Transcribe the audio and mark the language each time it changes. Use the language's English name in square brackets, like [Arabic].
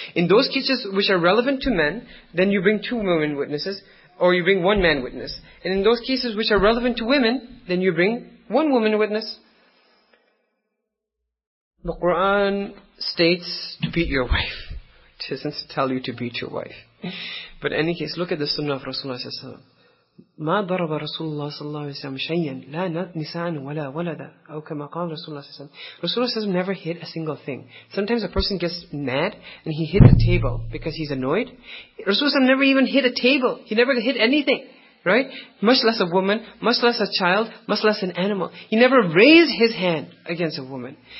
[English] In those cases which are relevant to men, then you bring two women witnesses, or you bring one man witness. And in those cases which are relevant to women, then you bring one woman witness. The Quran states to beat your wife. It doesn't tell you to beat your wife. But in any case, look at the sunnah of Rasulullah. [Arabic] ما ضرب رسول الله صلى الله عليه وسلم شيئا لا نساء ولا ولدا أو كما قال رسول الله صلى الله عليه وسلم. [English] Rasulullah says never hit a single thing. Sometimes a person gets mad and he hit the table because he's annoyed. Rasulullah says never even hit a table. He never hit anything, right? Much less a woman, much less a child, much less an animal. He never raised his hand against a woman.